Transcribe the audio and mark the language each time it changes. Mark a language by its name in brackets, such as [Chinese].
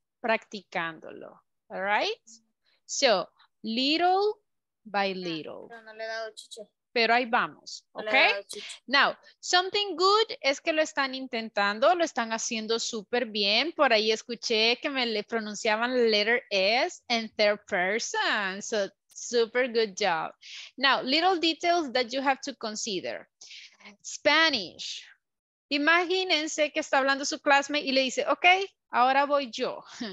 [English] Practicándolo. All right? So, little by little. [Spanish] No, no le he dado chiche. Pero ahí vamos, ¿ok? [English] Now, something good [Spanish] es que lo están intentando, lo están haciendo súper bien. Por ahí escuché que me le pronunciaban la letter S en [English] third person. So, super good job. Now, little details that you have to consider. Spanish. [Spanish] Imagínense que está hablando su classmate y le dice, ok, ahora voy yo.